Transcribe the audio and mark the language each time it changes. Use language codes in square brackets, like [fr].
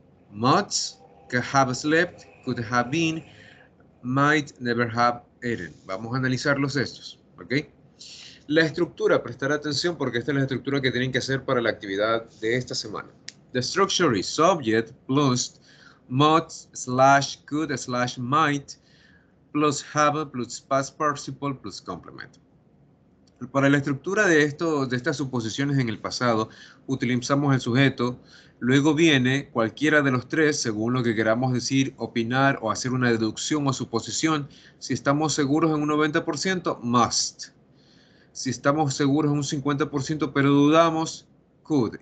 [en] Must, could have slept, could have been, might never have eaten. [es] Vamos a analizarlos estos, ¿ok? La estructura, prestar atención porque esta es la estructura que tienen que hacer para la actividad de esta semana. [en] The structure is subject plus must slash could slash might plus have plus past participle plus complement. [es] Para la estructura de esto, de estas suposiciones en el pasado, utilizamos el sujeto, luego viene cualquiera de los tres, según lo que queramos decir, opinar o hacer una deducción o suposición. Si estamos seguros en un 90%, must. Si estamos seguros en un 50%, pero dudamos, could.